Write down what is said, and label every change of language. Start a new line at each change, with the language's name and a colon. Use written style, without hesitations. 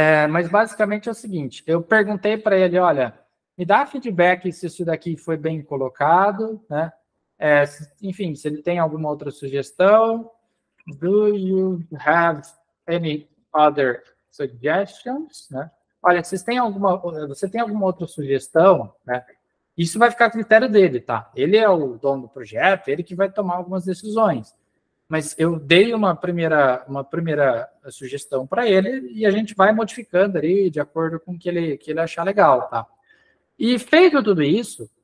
Portuguese: Mas basicamente é o seguinte: eu perguntei para ele, olha, me dá feedback se isso daqui foi bem colocado, né? Enfim, se ele tem alguma outra sugestão.
English: Do you have any other suggestions, né?
Portuguese: Olha, você tem alguma outra sugestão, né? Isso vai ficar a critério dele, tá? Ele é o dono do projeto, ele que vai tomar algumas decisões. Mas eu dei uma primeira sugestão para ele e a gente vai modificando ali de acordo com o que ele achar legal, tá? E feito tudo isso,